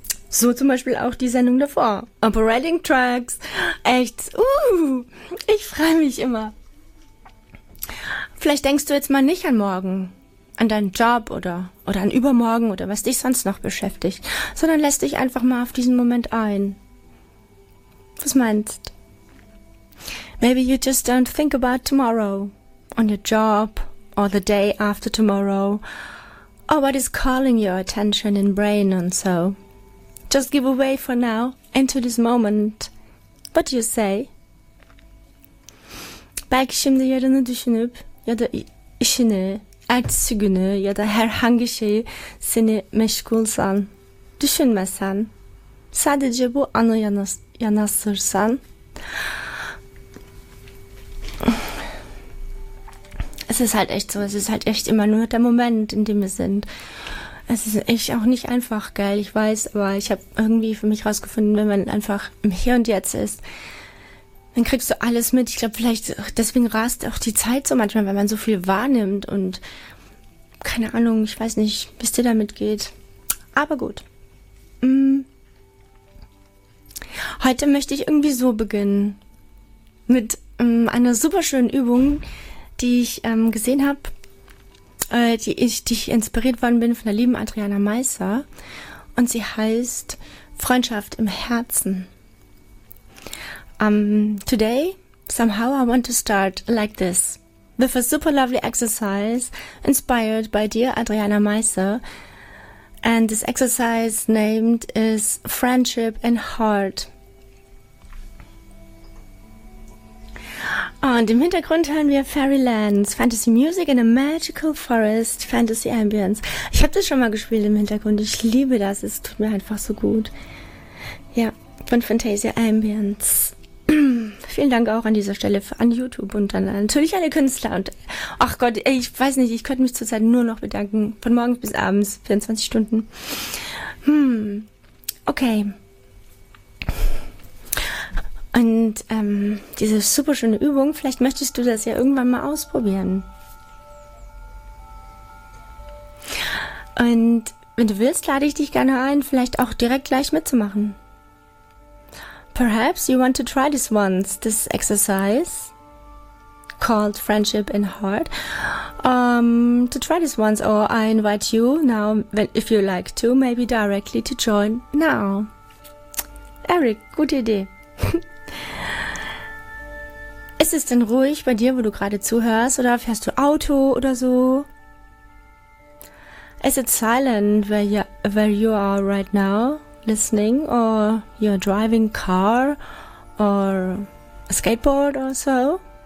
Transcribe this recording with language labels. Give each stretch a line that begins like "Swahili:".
German: So zum Beispiel auch die Sendung davor. Operating Trucks. Echt. Ich freue mich immer. Vielleicht denkst du jetzt mal nicht an morgen, an deinen Job oder an übermorgen oder was dich sonst noch beschäftigt, sondern lässt dich einfach mal auf diesen Moment ein. Was meinst?
English: Maybe you just don't think about tomorrow. On your job or the day after tomorrow. Or what is calling your attention in brain and so. Just give away for now, into this moment. What do you say?
Turkish: Belki şimdi yarını düşünüp ya da işini, ertesi günü ya da herhangi şeyi seni meşgulsan, düşünmesen, sadece bu anı yanaştırsan.
German: Es ist halt echt so, es ist halt echt immer nur der Moment, in dem wir sind. Es ist echt auch nicht einfach, gell? Ich weiß, aber ich habe irgendwie für mich rausgefunden, wenn man einfach im Hier und Jetzt ist, dann kriegst du alles mit. Ich glaube, vielleicht deswegen rast auch die Zeit so manchmal, weil man so viel wahrnimmt und keine Ahnung, ich weiß nicht, wie es dir damit geht. Aber gut. Heute möchte ich irgendwie so beginnen. Mit einer super schönen Übung, die ich gesehen habe. Die ich inspiriert worden bin von der lieben Adriana Meisser. Und sie heißt Freundschaft im Herzen.
English: Today, somehow I want to start like this. With a super lovely exercise inspired by dear Adriana Meisser. And this exercise named is Friendship in Heart.
German: Und im Hintergrund hören wir Fairylands, Fantasy Music in a Magical Forest, Fantasy Ambience. Ich habe das schon mal gespielt im Hintergrund. Ich liebe das. Es tut mir einfach so gut. Ja, von Fantasia Ambience. Vielen Dank auch an dieser Stelle an YouTube und dann natürlich alle Künstler. Und ach Gott, ich weiß nicht, ich könnte mich zurzeit nur noch bedanken. Von morgens bis abends, 24 Stunden. Okay. Und diese super schöne Übung, vielleicht möchtest du das ja irgendwann mal ausprobieren. Und wenn du willst, lade ich dich gerne ein, vielleicht auch direkt gleich mitzumachen.
English: Perhaps you want to try this once, this exercise called Friendship in Heart. To try this once, or I invite you now, if you like to, maybe directly to join now.
German: Eric, gute Idee. Ist es denn ruhig bei dir, wo du gerade zuhörst, oder fährst du Auto oder so?
English: Is it silent where you are right now, listening, or you're driving car or a skateboard or so?